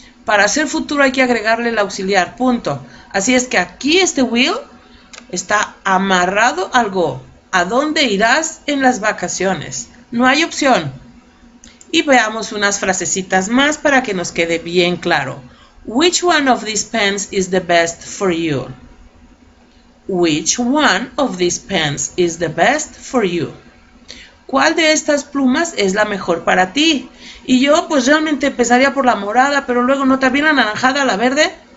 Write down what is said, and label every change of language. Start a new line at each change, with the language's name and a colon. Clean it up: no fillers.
Spanish: Para hacer futuro hay que agregarle el auxiliar, punto. Así es que aquí este will está amarrado al go. ¿A dónde irás en las vacaciones? No hay opción. Y veamos unas frasecitas más para que nos quede bien claro.
English: Which one of these pens is the best for you? Which one of these pens is the best for you?
Spanish: ¿Cuál de estas plumas es la mejor para ti? Y yo pues realmente empezaría por la morada, pero luego no, también la anaranjada, la verde.